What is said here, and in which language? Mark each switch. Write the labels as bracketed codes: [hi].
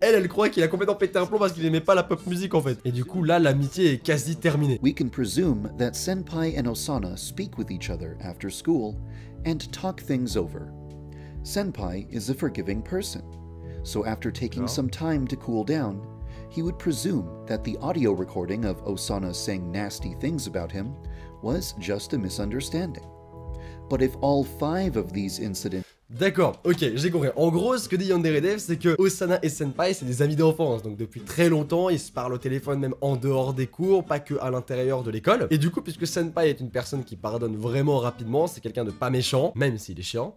[fr] Elle croit qu'il a complètement pété un plomb parce qu'il aimait pas la pop musique en fait. Et du coup, là, l'amitié est quasi terminée. [en] We can presume that Senpai and Osana speak with each other after school and talk things over. Senpai is a forgiving person. So after taking some time to cool down, he would presume that the audio recording of Osana saying nasty things about him was just a misunderstanding. But if all five of these incidents... [fr] D'accord, ok, j'ai compris. En gros, ce que dit Yandere Dev, c'est que Osana et Senpai, c'est des amis d'enfance. Donc depuis très longtemps, ils se parlent au téléphone même en dehors des cours, pas que à l'intérieur de l'école. Et du coup, puisque Senpai est une personne qui pardonne vraiment rapidement, c'est quelqu'un de pas méchant, même s'il est chiant.